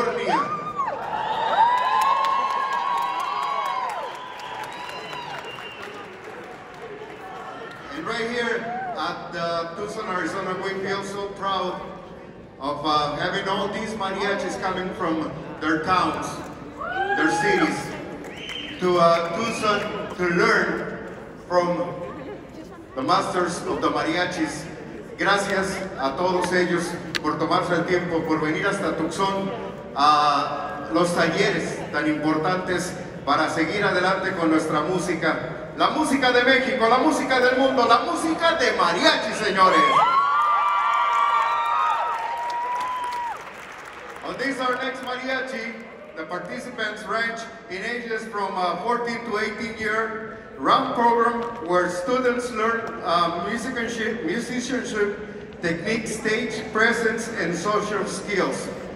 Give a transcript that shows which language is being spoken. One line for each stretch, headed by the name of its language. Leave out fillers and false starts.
English: And right here at Tucson, Arizona, we feel so proud of having all these mariachis coming from their towns, their cities, to Tucson to learn from the masters of the mariachis.
Spanish: Gracias a todos ellos por tomarse el tiempo, por venir hasta Tucson a los talleres tan importantes para seguir adelante con nuestra música. La música de México, la música del mundo, la música de mariachi, señores.
English: On this, our next mariachi, the participants range in ages from 14 to 18 year round program where students learn musicianship, technique, stage presence, and social skills.